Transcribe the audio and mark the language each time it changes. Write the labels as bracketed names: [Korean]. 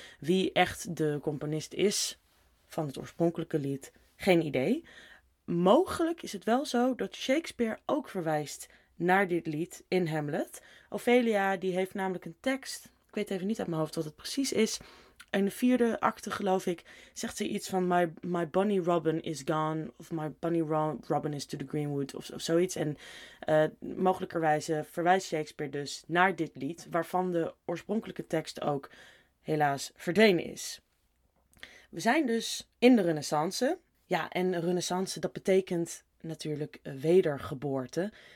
[Dutch] Wie echt de componist is van het oorspronkelijke lied, geen idee. Mogelijk is het wel zo dat Shakespeare ook verwijst naar dit lied in Hamlet. Ophelia die heeft namelijk een tekst. Ik weet even niet uit mijn hoofd wat het precies is. In de vierde acte, geloof ik, zegt ze iets van [English] my bunny Robin is gone. [Dutch] Of [English] my bunny Robin is to the Greenwood [Dutch] of zoiets. En mogelijkerwijze verwijst Shakespeare dus naar dit lied, waarvan de oorspronkelijke tekst ook helaas verdwenen is. We zijn dus in de Renaissance. Ja, en Renaissance, dat betekent natuurlijk wedergeboorte.